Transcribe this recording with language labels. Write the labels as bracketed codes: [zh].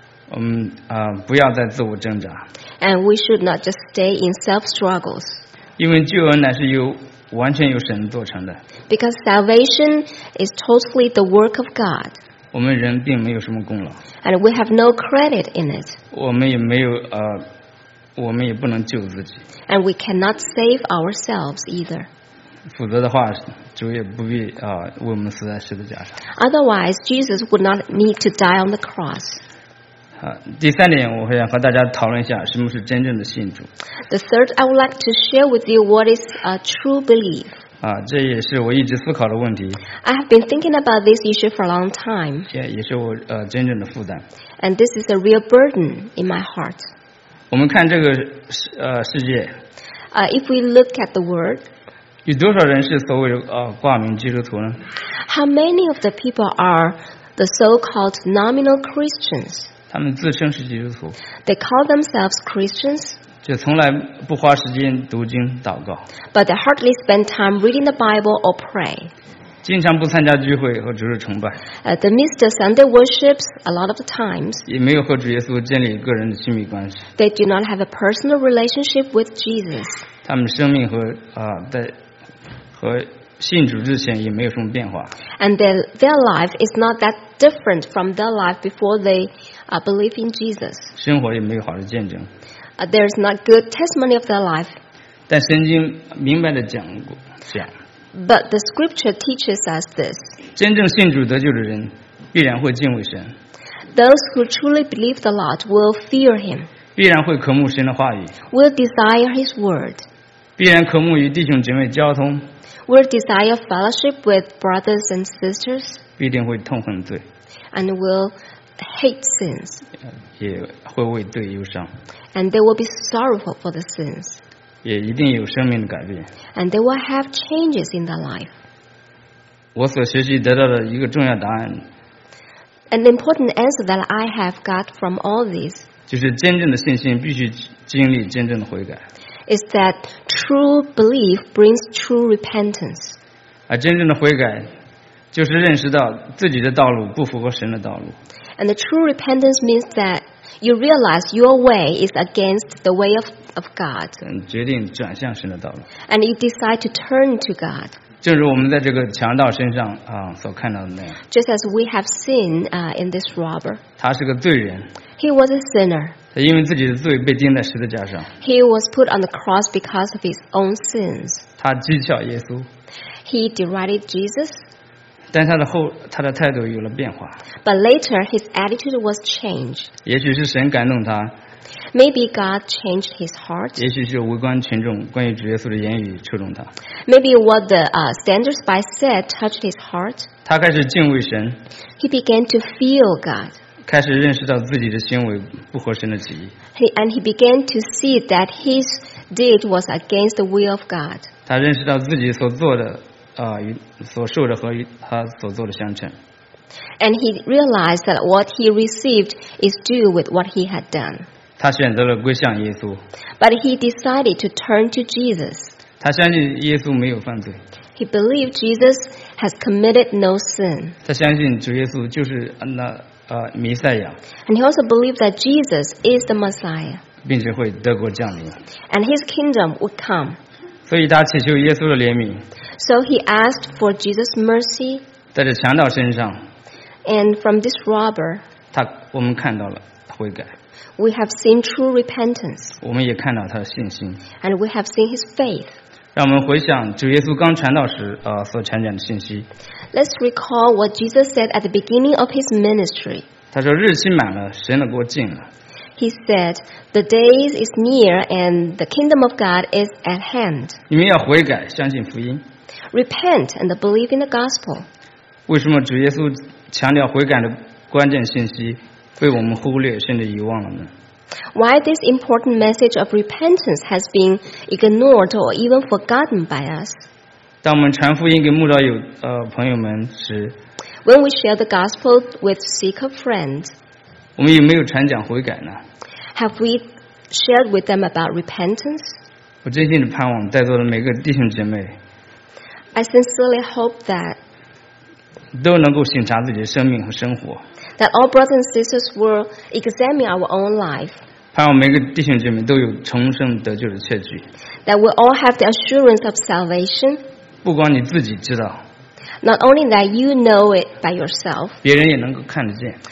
[zh] 我们不要再自我挣扎。 [en] And we should not just stay in self-struggles. [zh] 因为救恩乃是由完全由神做成的。 [en] Because salvation is totally the work of God. [zh] 我们人并没有什么功劳。 [en] And we have no credit in it. [zh] 我们也没有我们也不能救自己。 [en] And we cannot save ourselves either. [zh] 否则的话，主也不必为我们死在十字架上。 [en] Otherwise, Jesus would not need to die on the cross. [zh] 第三点我想和大家讨论一下什么是真正的信主。 [en] The third, I would like to share with you what is a true belief. [zh] 这也是我一直思考的问题。 [en] I have been thinking about this issue for a long time. [zh] 也是我真正的负担。 [en] And this is a real burden in my heart. [zh] 我们看这个世界。 [en] If we look at the world, [zh] 有多少人是所谓挂名基督徒呢？ [en] How many of the people are the so-called nominal Christians? [zh] 他们自称是基督徒。 [en] They call themselves Christians. [zh] 就从来不花时间读经祷告。 [en] But they hardly spend time reading the Bible or pray. [zh] 经常不参加聚会和主日崇拜。 [en] They miss the Sunday worships a lot of the times. [zh] 也没有和主耶稣建立个人的亲密关系。 [en] They do not have a personal relationship with Jesus. [zh] 他们生命和在和信主之前也没有什么变化。 [en] And their life is not that different from their life before they believe in Jesus. [zh] 生活也没有好的见证。 [en] There is not good testimony of their life. [zh] 但圣经明白地讲。 [en] But the scripture teaches us this. [zh] 真正信主得救的人必然会敬畏神。 [en] Those who truly believe the Lord will fear him. [zh] 必然会渴慕神的话语。 [en] Will desire his word. [zh] 必然渴慕与弟兄姐妹交通。 [en] We desire fellowship with brothers and sisters. [zh] 必定会痛恨罪。 [en] And will hate sins. [zh] 也会为罪忧伤。 [en] And they will be sorrowful for the sins. [zh] 也一定有生命的改变。 [en] And they will have changes in their life. [zh] 我所学习得到的一个重要答案。 [en] An important answer that I have got from all this. [zh] 就是坚定的信心必须经历坚定的悔改。 [en] Is that true belief brings true repentance. [zh] 啊，真正的悔改就是认识到自己的道路不符合神的道路。 [en] And the true repentance means that you realize your way is against the way of God. [zh] 决定转向神的道路。 [en] And you decide to turn to God. [zh] 正如我们在这个强盗身上啊所看到的那样。 [en] Just as we have seen in this robber. [zh] 他是个罪人。 [en] He was a sinner. [zh] 他因为自己的罪被钉在十字架上。 [en] He was put on the cross because of his own sins. [zh] 他讥笑耶稣。 [en] He derided Jesus. [zh] 但他的态度有了变化。 [en] But later, his attitude was changed. [zh] 也许是神感动他。 [en] Maybe God changed his heart. [zh] 也许是围观群众关于主耶稣的言语触动他。 [en] Maybe what the standard spy said touched his heart. [zh] 他开始敬畏神。 [en] He began to feel God. [zh] 开始认识到自己的行为不合神的旨意。 [en] And he began to see that his deed was against the will of God. [zh] 他认识到自己所做的所受的和他所做的相称。 [en] And he realized that what he received is due with what he had done. [zh] 他选择了归向耶稣。 [en] But he decided to turn to Jesus. [zh] 他相信耶稣没有犯罪。 [en] He believed Jesus has committed no sin. [zh] 他相信主耶稣就是那弥赛亚。 [en] And he also believed that Jesus is the Messiah. [zh] 并且会德国降临。 [en] And his kingdom would come. [zh] 所以他祈求耶稣的怜悯。 [en] So he asked for Jesus' mercy. [zh] 在这强盗身上。 [en] And from this robber. [zh] 我们看到了悔改。 [en] We have seen true repentance. [zh] 我们也看到他的信心。 [en] And we have seen his faith. [zh] 让我们回想主耶稣刚传道时所传讲的信息。 [en] Let's recall what Jesus said at the beginning of his ministry. [zh] 他说日期满了，神的国近了。 [en] He said, the days is near and the kingdom of God is at hand. [zh] 你们要悔改，相信福音。 [en] Repent and believe in the gospel. [zh] 为什么主耶稣强调悔改的关键信息被我们忽略甚至遗忘了呢？ [en] Why this important message of repentance has been ignored or even forgotten by us? [zh] 当我们传福音给慕道友朋友们时 [en] ，When we share the gospel with seeker friends, [zh] 我们有没有传讲悔改呢 [en] ？Have we shared with them about repentance? [zh] 我真心的盼望在座的每个弟兄姐妹 [en] ，I sincerely hope that [zh] 都能够省察自己的生命和生活。 [en] That all brothers and sisters will examine our own life. [zh] 盼望每个弟兄姐妹都有重生得救的确据。 [en] That we all have the assurance of salvation. [zh] 不光你自己知道。 [en] Not only that you know it by yourself. [zh] 别人也能够看得见。